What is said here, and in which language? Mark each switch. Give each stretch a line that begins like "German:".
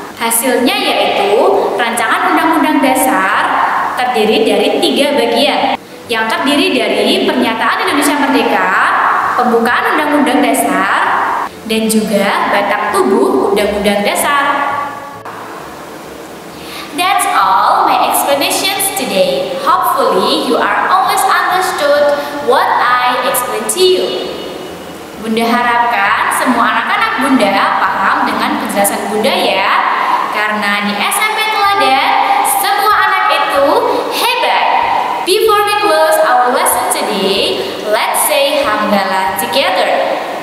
Indonesian: Hasilnya yaitu rancangan undang-undang dasar terdiri dari 3 bagian, yang terdiri dari pernyataan Indonesia Merdeka, pembukaan undang-undang dasar, dan juga batang tubuh undang-undang dasar.
English: That's all my explanations today. Hopefully you are always understood what I explain to you.
Indonesian: Bunda harapkan semua anak-anak Bunda paham dengan penjelasan Bunda ya. Karena di SMP Teladan, semua anak itu hebat.
English: Before we close our lesson today, let's say hamdalah together.